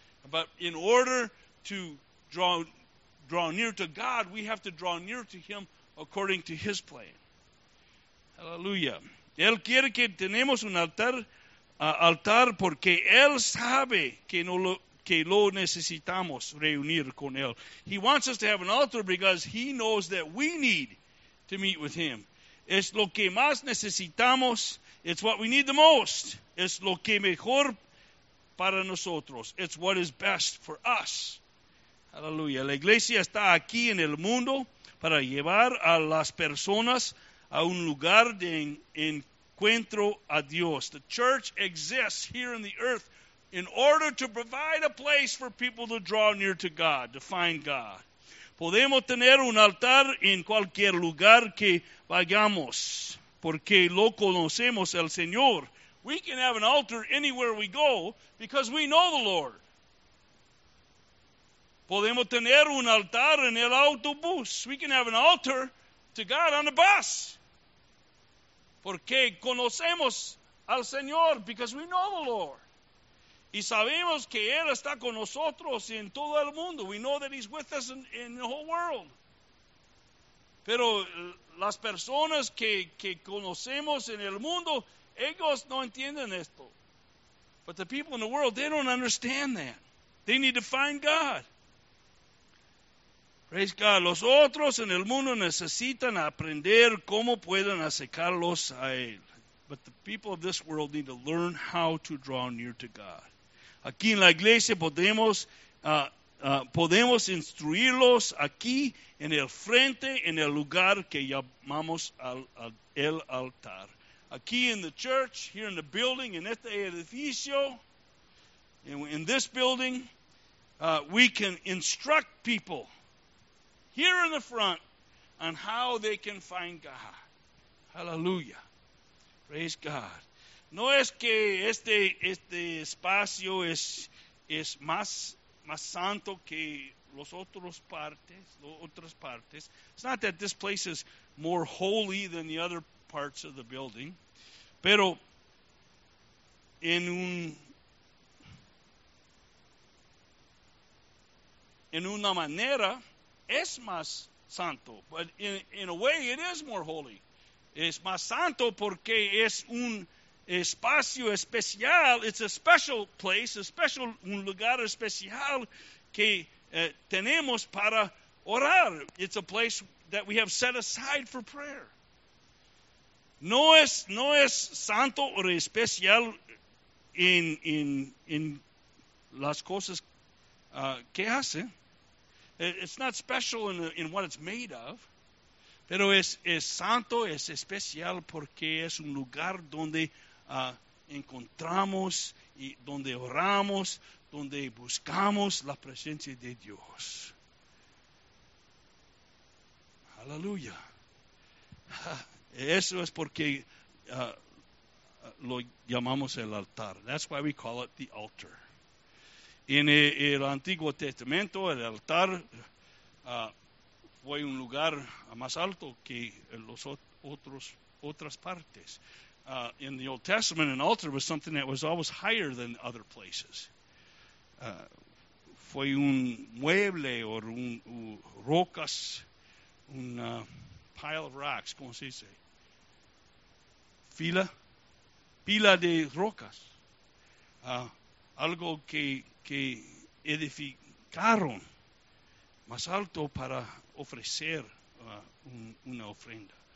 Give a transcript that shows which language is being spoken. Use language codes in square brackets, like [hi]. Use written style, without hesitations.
[en] But in order to draw near to God, we have to draw near to Him according to His plan. Aleluya. [es] Él quiere que tenemos un altar porque Él sabe que lo necesitamos reunir con Él. [en] He wants us to have an altar because He knows that we need to meet with Him. [es] Es lo que más necesitamos. [en] It's what we need the most. [es] Es lo que mejor para nosotros. [en] It's what is best for us. Aleluya. [es] La iglesia está aquí en el mundo para llevar a las personas a un lugar de encuentro a Dios. [en] The church exists here in the earth in order to provide a place for people to draw near to God, to find God. [es] Podemos tener un altar en cualquier lugar que vayamos, porque lo conocemos al Señor. [en] We can have an altar anywhere we go because we know the Lord. [es] Podemos tener un altar en el autobús. [en] We can have an altar to God on the bus. [es] Porque conocemos al Señor, [en] because we know the Lord. [es] Y sabemos que Él está con nosotros en todo el mundo. [en] We know that He's with us in the whole world. [es] Pero las personas que conocemos en el mundo, ellos no entienden esto. [en] But the people in the world, they don't understand that. They need to find God. Praise God. [es] Los otros en el mundo necesitan aprender cómo pueden acercarlos a Él. [en] But the people of this world need to learn how to draw near to God. [es] Aquí en la iglesia podemos instruirlos aquí en el frente, en el lugar que llamamos el altar. Aquí en [en] the church, here in the building, [es] en este edificio, [en] in this building, we can instruct people here in the front, on how they can find God. Hallelujah. Praise God. [es] No es que este espacio es más santo que los otras partes. [en] It's not that this place is more holy than the other parts of the building. [es] Pero en una manera es más santo, [en] but in a way it is more holy. [es] Es más santo porque es un espacio especial. [en] It's a special place, [es] un lugar especial que tenemos para orar. [en] It's a place that we have set aside for prayer. [es] No es santo o especial en las cosas que hace. [en] It's not special in what it's made of, [es] pero es santo, es especial porque es un lugar donde encontramos y donde oramos, donde buscamos la presencia de Dios. Aleluya. Eso es porque lo llamamos el altar. [en] That's why we call it the altar. [es] En el Antiguo Testamento, el altar fue un lugar más alto que los otras partes. [en] In the Old Testament, an altar was something that was always higher than other places. [es] Fue un mueble o rocas, un [en] pile of rocks, [es] ¿cómo se dice? Pila de rocas. Algo que edificaron más alto para ofrecer una ofrenda.